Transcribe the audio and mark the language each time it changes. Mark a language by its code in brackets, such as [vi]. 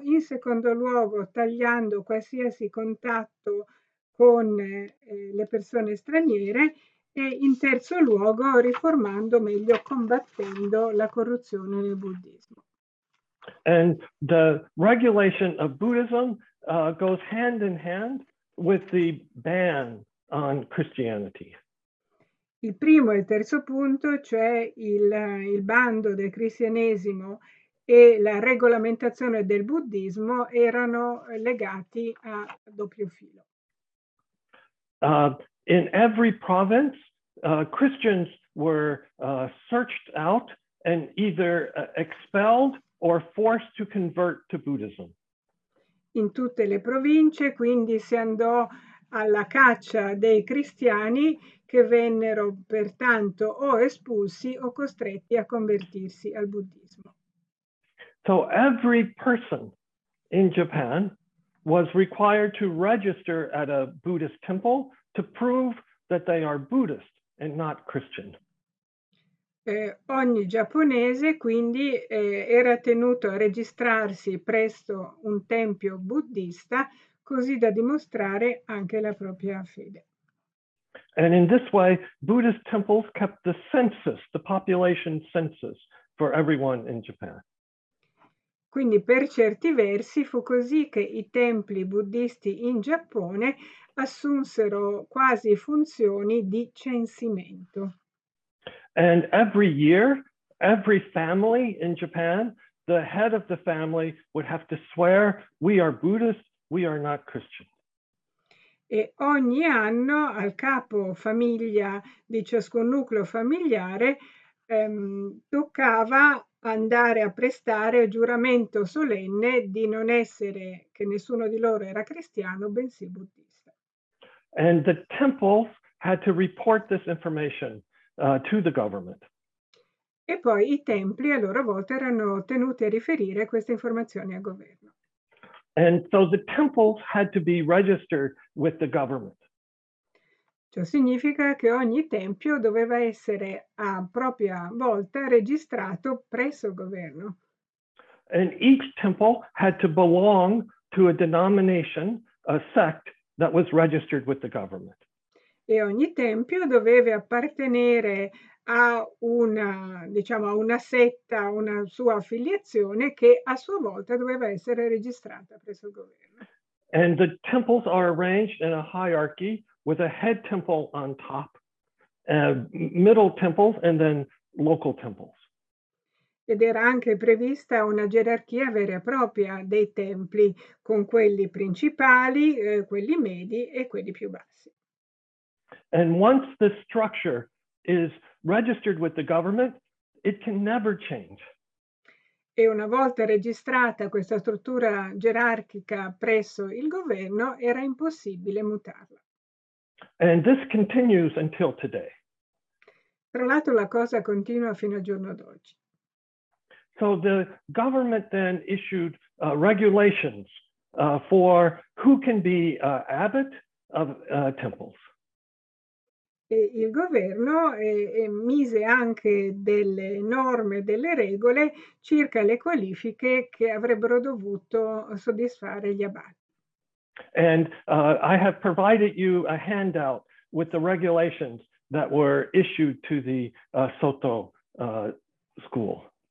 [it] In secondo luogo, tagliando qualsiasi contatto con le persone straniere. E in terzo luogo, riformando, meglio, combattendo la corruzione nel buddismo. [en] And the regulation of Buddhism goes hand in hand with the ban on Christianity. [it] Il primo e il terzo punto, cioè il bando del cristianesimo e la regolamentazione del buddismo, erano legati a doppio filo. [en] In every province, Christians were searched out and either expelled or forced to convert to Buddhism. [it] In tutte le province, quindi, si andò alla caccia dei cristiani che vennero pertanto o espulsi o costretti a convertirsi al buddismo. [en] So every person in Japan was required to register at a Buddhist temple to prove that they are Buddhist and not Christian. [it] Ogni giapponese quindi era tenuto a registrarsi presso un tempio buddista così da dimostrare anche la propria fede. [en] And in this way, Buddhist temples kept the census, the population census, for everyone in Japan. [it] Quindi per certi versi fu così che i templi buddhisti in Giappone assunsero quasi funzioni di censimento. [en] And every year, every family in Japan, the head of the family would have to swear, "We are Buddhist, we are not Christian." [it] E ogni anno al capo famiglia di ciascun nucleo familiare toccava andare a prestare giuramento solenne di non essere, che nessuno di loro era cristiano, bensì buddista. [en] And the temples had to report this information to the government. [it] E poi i templi a loro volta erano tenuti a riferire queste informazioni al governo. [en] And so the temples had to be registered with the government. [it] Ciò significa che ogni tempio doveva essere a propria volta registrato presso il governo. [en] And each temple had to belong to a denomination, a sect that was registered with the government. [it] E ogni tempio doveva appartenere a una, diciamo, a una setta, una sua affiliazione che a sua volta doveva essere registrata presso il governo. [en] And the temples are arranged in a hierarchy with a head temple on top middle temples and then local temples. [it] Ed era anche prevista una gerarchia vera e propria dei templi, con quelli principali, quelli medi e quelli più bassi. [en] And once the structure is registered with the government, it can never change. [it] E una volta registrata questa struttura gerarchica presso il governo, era impossibile mutarla. [en] And this continues until today. [it] Tra l'altro la cosa continua fino al giorno d'oggi. [en] So the government then issued regulations for who can be abbot of temples. [it] E il governo mise anche delle norme, delle regole circa le qualifiche che avrebbero dovuto soddisfare gli abati. [en] And I have provided you a handout with the regulations that were issued to the Soto school.